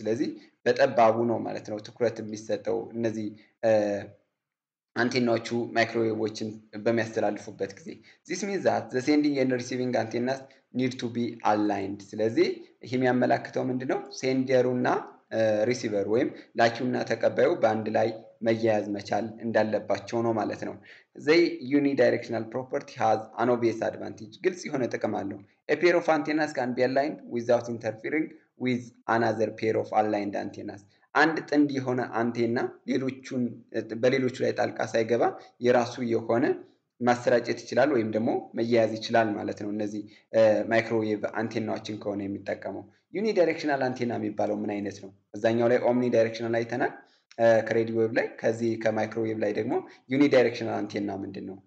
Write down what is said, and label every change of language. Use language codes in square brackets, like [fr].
[am] ስለዚህ በጠባቡ ነው ማለት ነው ትኩረት የሚሰጠው እነዚህ አንቴናዎቹ ማይክሮዌቭዎችን በሚያስተላልፉበት ጊዜ። [en] this means that the sending and receiving antennas need to be aligned. [am] ስለዚህ ይሄም ያመለክተው ምንድነው? ሴንደሩና ሪሲቨሩ ወይም ላኪውና ተቀባዩ በአንድ ላይ መያያዝ መቻል እንዳለባቸው ነው ማለት ነው። [en] the unidirectional property has an obvious advantage. [am] ግልጽ የሆነ ጥቅም አለው። [en] a pair of antennas can be aligned without interfering with another pair of aligned antennas. [am] አንድ ጥንድ የሆነ አንቴና ሌሎቹን በሌሎቹ ላይ ጣልቃ ሳይገባ የራሱ የሆነ ማስተራጨት ይችላል ወይም ደግሞ መያያዝ ይችላል ማለት ነው። እነዚህ ማይክሮዌቭ አንቴናዎችን ከሆነ የሚጠቀመው ዩኒዳይሬክሽናል አንቴና የሚባለው ምን አይነት ነው? እዛኛው ላይ ኦምኒ ዳይሬክሽናል አይተናል ከሬዲዮ ዌቭ ላይ። ከዚህ ከማይክሮዌቭ ላይ ደግሞ ዩኒዳይሬክሽናል አንቴና ምንድነው?